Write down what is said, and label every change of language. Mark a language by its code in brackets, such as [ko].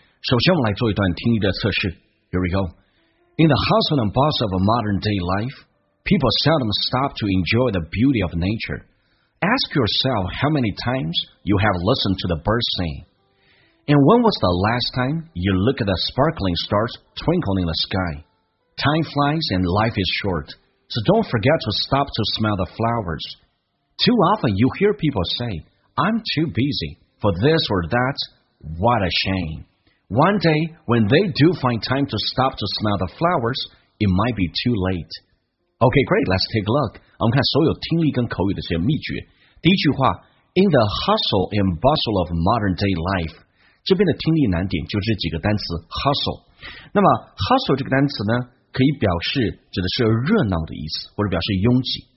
[zh] 首先我们来做一段听力的测试。 [en] Here we go. In the hustle and bustle of a modern day life, people seldom stop to enjoy the beauty of nature. Ask yourself how many times you have listened to the birds sing. And when was the last time you looked at the sparkling stars twinkling in the sky? Time flies and life is short, so don't forget to stop to smell the flowers. Too often you hear people say,I'm too busy for this or that. What a shame. One day, when they do find time to stop to smell the flowers, it might be too late. Okay, great. Let's take a look. [zh] 我们看所有听力跟口语的这些秘诀。第一句话 , [en] In the hustle and bustle of modern day life, [zh] 这边的听力难点就这几个单词 ,hustle. 那么 ,hustle 这个单词呢可以表示指的是热闹的意思或者表示拥挤。